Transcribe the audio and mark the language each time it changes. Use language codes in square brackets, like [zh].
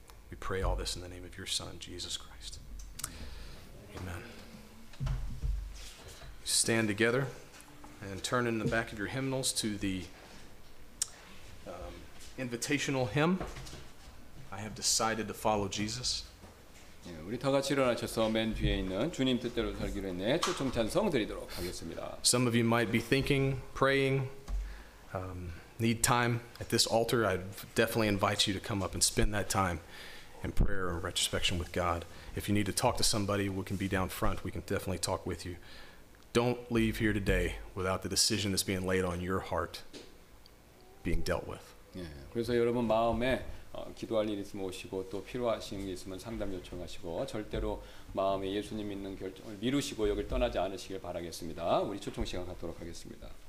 [en] We pray all this in the name of your Son, Jesus Christ. Amen. Stand together and turn in the back of your hymnals to the invitational hymn, I Have Decided to Follow Jesus. [ko] 우리 다 같이 일어나셔서 맨 뒤에 있는 주님 뜻대로 살기로 했네 초청 찬송 드리도록 하겠습니다. [en] Some of you might be thinking, praying, need time at this altar. I'd definitely invite you to come up and spend that time in prayer and retrospection with God. If you need to talk to somebody, we can be down front. We can definitely talk with you. Don't leave here today without the decision that's being laid on your heart being dealt with. [ko] 예, 그래서 여러분 마음에 기도할 일 있으면 오시고 또 필요하신 게 있으면 상담 요청하시고 절대로 마음에 예수님 믿는 결정을 미루시고 여길 떠나지 않으시길 바라겠습니다. 우리 초청 시간 갖도록 하겠습니다.